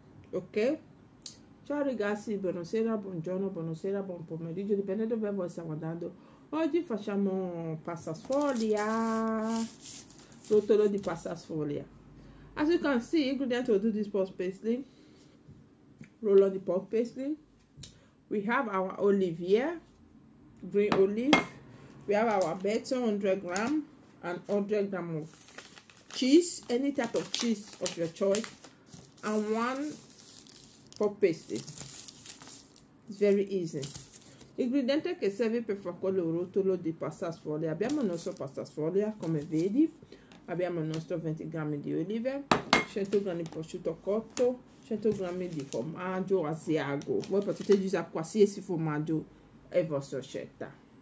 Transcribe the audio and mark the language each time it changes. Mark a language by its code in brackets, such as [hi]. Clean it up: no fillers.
[it] Okay, ciao ragazzi, buonasera, buongiorno, buonasera, buon pomeriggio, dipende da dove voi stiamo andando. Oggi facciamo pasta sfoglia, rotolo di pasta sfoglia. [en] As you can see, ingredients will do this puff pastry. Roll on the pork pastry. We have our olive here, green olive. We have our butter, 100 gram, and 100 gram of cheese, any type of cheese of your choice, and one pork pastry. It's very easy. [it] Ingredienti che serve per far quello rotolo di pasta sfoglia. Abbiamo il nostro pasta sfoglia, come vedi. Abbiamo il nostro 20 grammi di olive, 100 grammi di prosciutto cotto, 100 grammi di formaggio Asiago. Voi potete usare qualsiasi formaggio è vostra scelta.